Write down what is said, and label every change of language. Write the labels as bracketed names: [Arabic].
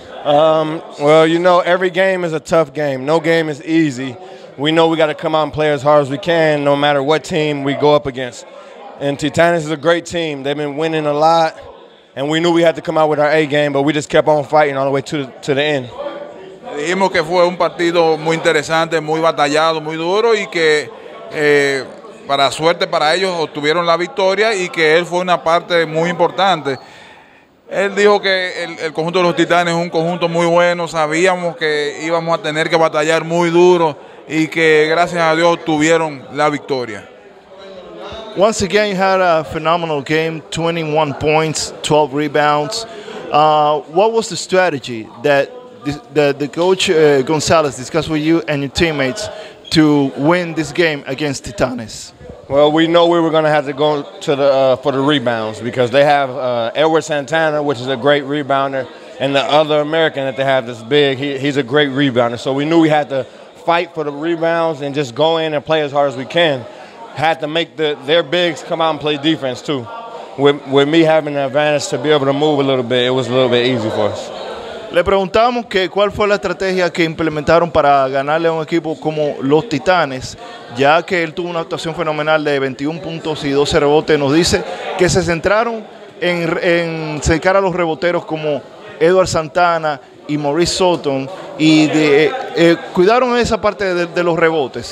[English] Well, you know, every game is a tough game. No game is easy. We know we got to come out and play as hard as we can, no matter what team we go up against. And Titanus is a great team. They've been winning a lot, and we knew we had to come out with our A game, but we just kept on fighting all the way to the end. [Spanish] Dijimos que fue un partido muy interesante, muy batallado, muy duro y que para suerte para ellos obtuvieron la victoria y que él fue una parte muy importante. Él dijo que el conjunto de los Titanes es un conjunto muy bueno, sabíamos que íbamos a tener que batallar muy duro y que gracias a Dios obtuvieron la victoria. [English] Once again you had a phenomenal game, 21 points, 12 rebounds. What was the strategy that the coach Gonzalez discussed with you and your teammates to win this game against Titanes? Well, we know we were going to have to go to the for the rebounds because they have Edward Santana, which is a great rebounder, and the other American that they have this big, he's a great rebounder. So we knew we had to fight for the rebounds and just go in and play as hard as we can. Had to make their bigs come out and play defense too. With me having the advantage to be able to move a little bit, it was a little bit easy for us. [Spanish] Le preguntamos que cuál fue la estrategia que implementaron para ganarle a un equipo como los Titanes, ya que él tuvo una actuación fenomenal de 21 puntos y 12 rebotes. Nos dice que se centraron en cercar a los reboteros como Edward Santana y Maurice Sutton y cuidaron esa parte de los rebotes.